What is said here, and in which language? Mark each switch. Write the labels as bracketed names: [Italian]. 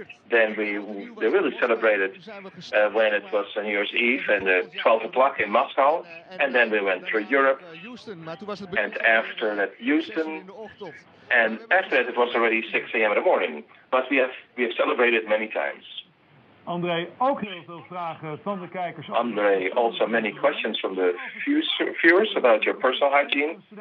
[English] Then they really celebrated when it was New Year's Eve and 12 o'clock in Moscow. And then we went through Europe. And after that, Houston. And after that, it was already 6 a.m. in the morning. But we have celebrated many times. [Dutch] André, ook heel veel vragen van de kijkers. [English] André, also many questions from the viewers about your personal hygiene.